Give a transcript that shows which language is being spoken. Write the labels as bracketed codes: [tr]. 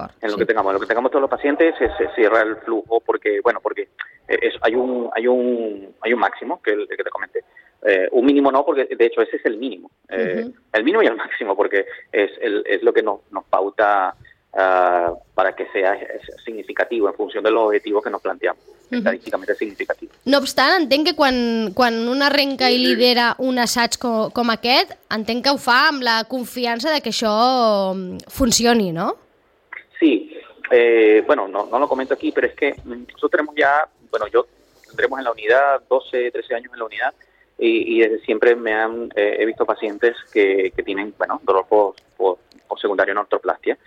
[es] En lo que tengamos todos los pacientes se cierra el flujo porque hay un máximo que te comenté. Un mínimo no, porque de hecho ese es el mínimo. El mínimo y el máximo, porque es lo que nos pauta para que sea significativo en función de los objetivos que nos planteamos. Estadísticamente significativo. [ca] No obstant, entenc que quan un arrenca i lidera un assaig com aquest, entenc que ho fa amb la confiança de que això funcioni, no? Sí. [es] No lo comento aquí, pero es que nosotros tenemos ya, bueno, yo tendremos en la unidad 12, 13 años en la unidad, y desde siempre me han he visto pacientes que tienen, bueno, dolor o secundario en ortoplastia.